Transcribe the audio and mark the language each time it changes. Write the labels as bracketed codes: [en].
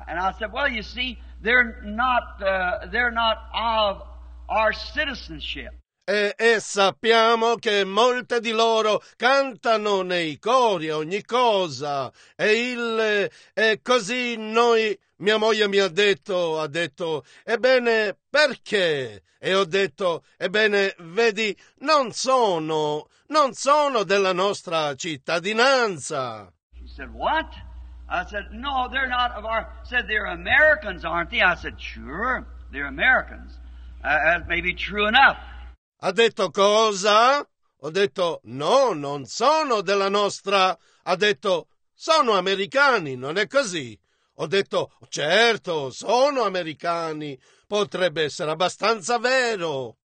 [en] And I said, well, you see, they're not of our citizenship. [it] E sappiamo che molte di loro cantano nei cori ogni cosa. E così noi, mia moglie mi ha detto, ebbene, perché? E ho detto, ebbene, vedi, non sono della nostra cittadinanza. [en] She said, what? I said, no, they're not of our... said, they're Americans, aren't they? I said, sure, they're Americans. That may be true enough. [it] Ha detto, cosa? Ho detto, no, non sono della nostra... Ha detto, sono americani, non è così? Ho detto, certo, sono americani. Potrebbe essere abbastanza vero.